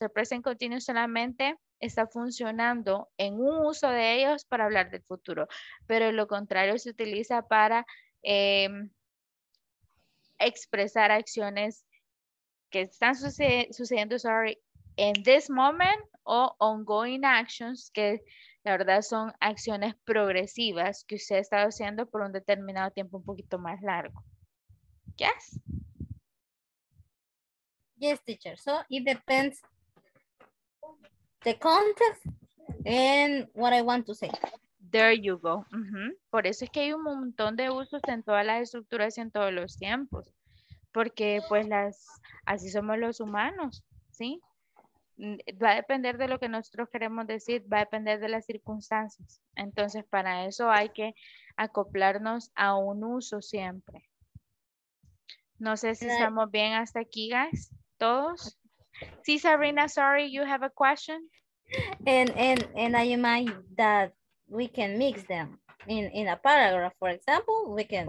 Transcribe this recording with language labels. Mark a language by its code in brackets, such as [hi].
[es] El present continuous solamente está funcionando en un uso de ellos para hablar del futuro, pero lo contrario se utiliza para expresar acciones que están sucediendo, [en] sorry, in this moment, [es] o [en] ongoing actions, [es] que la verdad son acciones progresivas que usted ha estado haciendo por un determinado tiempo un poquito más largo. [en] Yes. Yes, teacher. So it depends the context and what I want to say. There you go. Mm-hmm. [es] Por eso es que hay un montón de usos en todas las estructuras y en todos los tiempos. Porque pues así somos los humanos, ¿sí? Va a depender de lo que nosotros queremos decir, va a depender de las circunstancias. Entonces, para eso hay que acoplarnos a un uso siempre. No sé si estamos bien hasta aquí, guys, todos. [en] Sí, Sabrina, sorry, you have a question. And I imagine that we can mix them in a paragraph, for example, we can.